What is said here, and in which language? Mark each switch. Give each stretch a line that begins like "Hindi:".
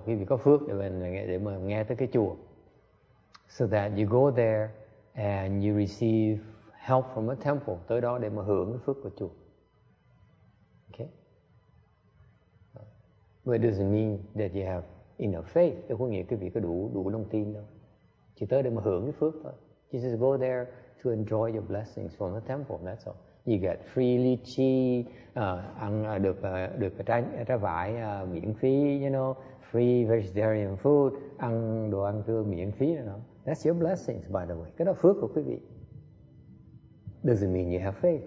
Vietnamese: Quý vị có phước để mà nghe tới cái chùa.
English: So that you go there and you receive help from the temple.
Vietnamese: Tới đó để mà hưởng cái phước của chùa.
English: Okay. But it doesn't mean that you have enough faith.
Vietnamese: Đâu có nghĩa quý vị có đủ lòng tin đâu. Chỉ tới để mà hưởng cái phước thôi.
English: You just go there to enjoy your blessings from the temple. That's all. You get free lychee,
Vietnamese: ăn được trái vải miễn phí,
English: you know, free vegetarian food,
Vietnamese: ăn đồ ăn trưa miễn phí.
English: You know? That's your blessings, by the way.
Vietnamese: Cái đó phước của quý vị.
English: Doesn't mean you have faith.